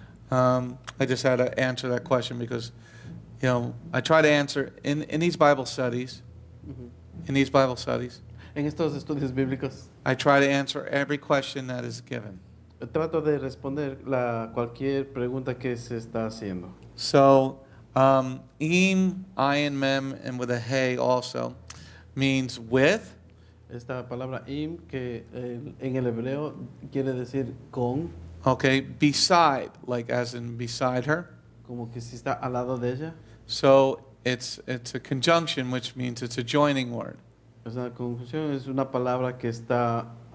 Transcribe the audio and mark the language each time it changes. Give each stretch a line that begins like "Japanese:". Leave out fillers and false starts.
English: I just had to answer that question because, you know, I try to answer in these Bible studies, mm-hmm. in these Bible studies.
Spanish: En estos estudios bíblicos.
English: I try to answer every question that is given.
Spanish: Trato de responder la cualquier pregunta que se está haciendo.
English: So, im, ayin, mem, and with a hey also means with.
Spanish: Esta palabra im, que en el hebreo quiere decir con.
English: Okay, beside, like as in beside her.
Spanish: Como que si está al lado de ella.
English: So, it's a conjunction, which means it's a joining word.
Spanish: Es una conjunción, es una palabra que está...